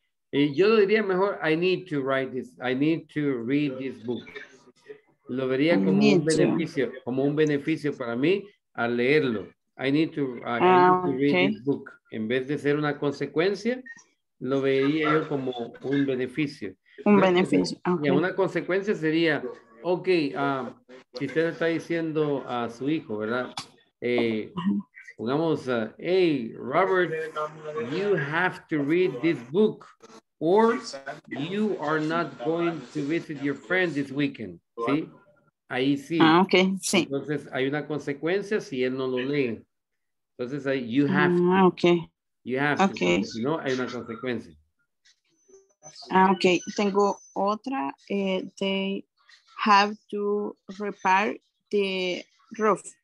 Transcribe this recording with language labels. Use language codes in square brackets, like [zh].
[es] Y yo lo diría mejor, [en] I need to write this, I need to read this book. [es] Lo vería como un beneficio, como un beneficio para mí al leerlo. [en] I need to, read this book. [es] En vez de ser una consecuencia, lo vería yo como un beneficio. Un beneficio. Okay. Y una consecuencia sería, ok, si usted está diciendo a su hijo, ¿verdad? [en] Pongamos, hey, Robert, you have to read this book or you are not going to visit your friend this weekend. [es] ¿Sí? Ahí sí. Ah, okay. Sí. Entonces hay una consecuencia si él no lo lee. Entonces ahí [en] you have to. Okay. You have to. Okay. [es] Si no, hay una consecuencia. [en] Ah, okay. [es] Tengo otra. [en] They have to repair the roof.